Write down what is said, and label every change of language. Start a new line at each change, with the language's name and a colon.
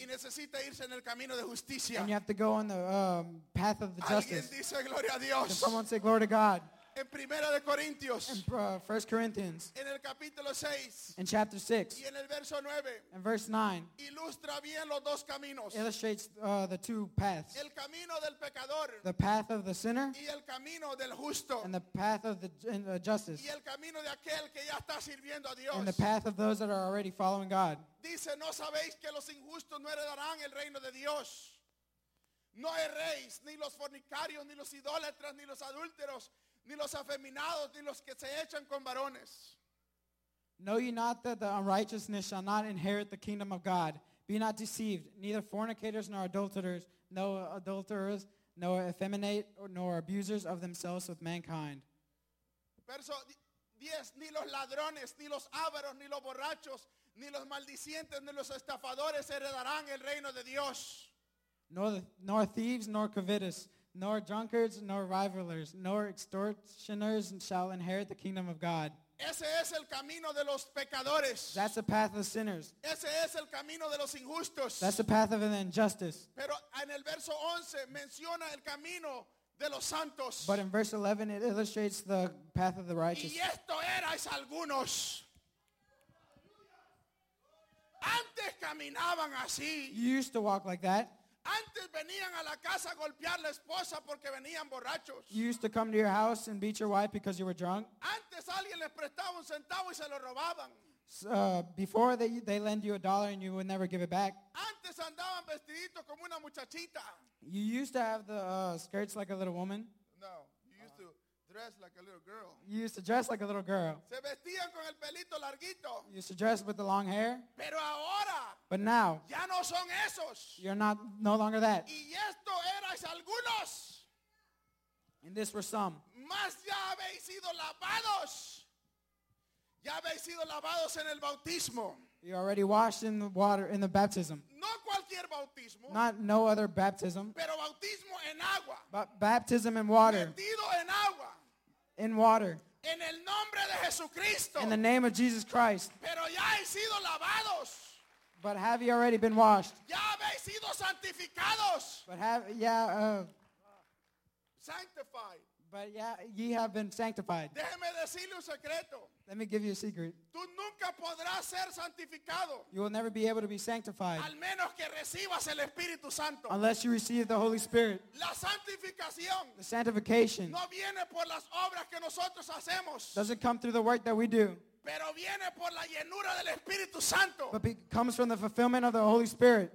Spanish: Y necesita irse en el camino de justicia.
English: And you have to go on the path of the justice.
Spanish: Alguien dice gloria a Dios.
English: Can someone say glory to God?
Spanish: En primera de Corintios,
English: in 1 Corinthians,
Spanish: en el capítulo 6,
English: in chapter 6,
Spanish: y en el verso 9,
English: in verse 9,
Spanish: ilustra bien los dos caminos,
English: illustrates the two paths,
Spanish: el camino del pecador,
English: the path of the sinner,
Spanish: y el camino del justo,
English: and the path of the justice,
Spanish: y el camino de aquel que ya está sirviendo a Dios,
English: and the path of those that are already following God.
Spanish: Dice, no sabéis que los injustos no heredarán el reino de Dios. No erréis, ni los fornicarios, ni los idólatras, ni los adúlteros, ni los afeminados, ni los que se echan con varones.
English: Know ye not that the unrighteousness shall not inherit the kingdom of God? Be not deceived, neither fornicators, nor adulterers, no adulterers, nor effeminate, nor abusers of themselves with mankind.
Spanish: Verso 10, ni los ladrones, ni los ávaros, ni los borrachos, ni los maldicientes, ni los estafadores heredarán el reino de Dios.
English: Nor thieves, nor covetous, nor drunkards, nor rivalers, nor extortioners shall inherit the kingdom of God.
Spanish: Ese es el camino de los pecadores.
English: That's the path of sinners.
Spanish: Ese es el camino de los injustos.
English: That's the path of an injustice.
Spanish: Pero en el verso 11 menciona el camino de los santos.
English: But in verse 11 it illustrates the path of the righteous.
Spanish: Y esto erais algunos. Antes caminaban así.
English: You used to walk like that.
Spanish: Antes venían a la casa a golpear la esposa porque venían borrachos.
English: You used to come to your house and beat your wife because you were drunk.
Spanish: Antes alguien les prestaba un centavo y se lo robaban.
English: Before they lend you a dollar and you would never give it back.
Spanish: Antes andaban vestiditos como una muchachita.
English: You used to have the skirts like a little woman. No, you used to dressed like a little girl. You used to dress like a little girl.
Spanish: Se vestían con el pelito larguito.
English: You used to dress with the long hair.
Spanish: Pero ahora,
English: but now,
Spanish: ya no son esos.
English: You're not no longer that.
Spanish: Y esto erais algunos.
English: And this were some.
Spanish: Mas ya habéis sido lavados. Ya habéis sido lavados en el bautismo.
English: You already washed in the water in the baptism.
Spanish: No cualquier bautismo.
English: Not no other baptism.
Spanish: Pero bautismo en agua.
English: But baptism in water.
Spanish: Metido en agua.
English: In water.
Spanish: En el nombre de Jesucristo.
English: In the name of Jesus Christ.
Spanish: Pero ya habéis sido lavados.
English: But have you already been washed?
Spanish: Ya habéis sido santificados.
English: But have sanctified. But yeah, ye have been sanctified.
Spanish: Déjeme decirle un secreto.
English: Let me give you a secret.
Spanish: Tú nunca podrás ser santificado.
English: You will never be able to be sanctified.
Spanish: Al menos que recibas el Espíritu Santo.
English: Unless you receive the Holy Spirit.
Spanish: La santificación.
English: The sanctification.
Spanish: No viene por las obras que nosotros hacemos.
English: Doesn't come through the work that we do.
Spanish: Pero viene por la llenura del Espíritu Santo.
English: But it comes from the fulfillment of the Holy Spirit.